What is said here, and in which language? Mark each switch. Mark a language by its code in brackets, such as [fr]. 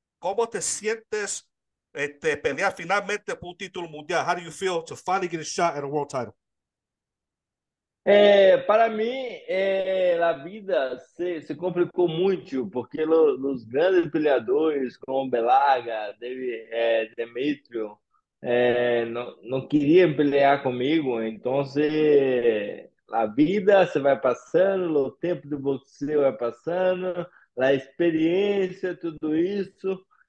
[es] ¿Cómo te sientes pelear finalmente por un título mundial? [en] How do you feel to finally get a shot at a world title? [es] Para mí, la vida se complicó mucho, porque los grandes peleadores como Belaga, Demetrio, no querían pelear conmigo, entonces... [pt] La vida se va passando, o tempo de boxeio vai passando, a experiência, tudo isso.